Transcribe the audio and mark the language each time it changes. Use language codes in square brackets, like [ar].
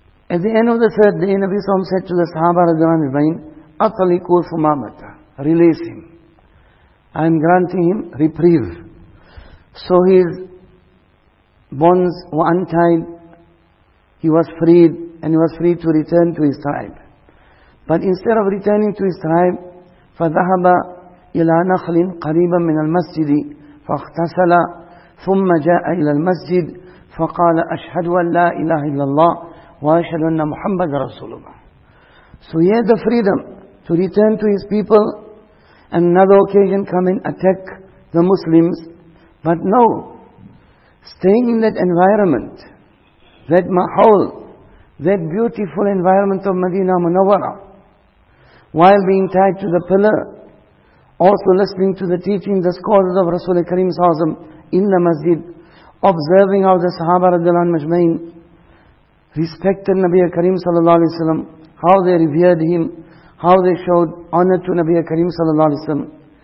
[en] At the end of the third day, Nabi صلى الله عليه وسلم said to the Sahaba رضي الله عنهم, [ar] أطلقوا ثمامة, [en] release him. I am granting him reprieve. So his bonds were untied. He was freed, and he was free to return to his tribe. But instead of returning to his tribe, [ar] فذهب إلى نخل قريبا من المسجد فاغتسل ثم جاء إلى المسجد فقال أشهد أن لا إله إلا الله وأشهد أن محمد رسول الله. [en] So he had the freedom to return to his people, and another occasion come and attack the Muslims. But no, staying in that environment, that mahal, that beautiful environment of Madinah Munawwara, while being tied to the pillar, also listening to the teaching, the scholars of Rasul Karim Sa'azam in the masjid, observing how the Sahaba radhiyallahu anhum majma'in respected Nabi Karim sallallahu alayhi wa sallam, how they revered him, how they showed honor to Nabi Karim sallallahu alayhi wa sallam.